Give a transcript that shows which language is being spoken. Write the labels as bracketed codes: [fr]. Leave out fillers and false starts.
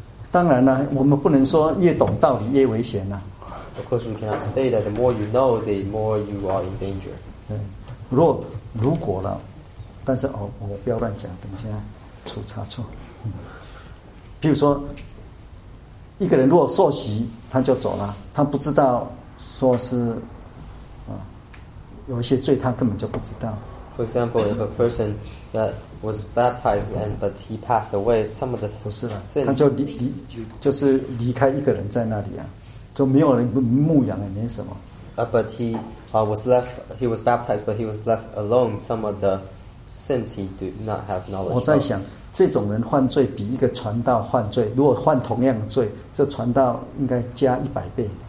[zh] 当然了，我们不能说越懂道理越危险了。 [en] Of course, we cannot say that the more you know, the more you are in danger. [zh] 如果了，但是我不要乱讲，等一下出差错。譬如说，一个人如果受洗，他就走了，他不知道说是。有一些罪他根本就不知道。 [en] For example, if a person that was baptized and but he passed away, some of the sins [zh] 不是啦，他就就是离开一个人在那里啊，就没有人牧养也没什么。 [en] But he was left. He was baptized, but he was left alone. Some of the sins he do not have knowledge. [zh] 我在想，这种人犯罪比一个传道犯罪，如果犯同样的罪，这传道应该加100倍。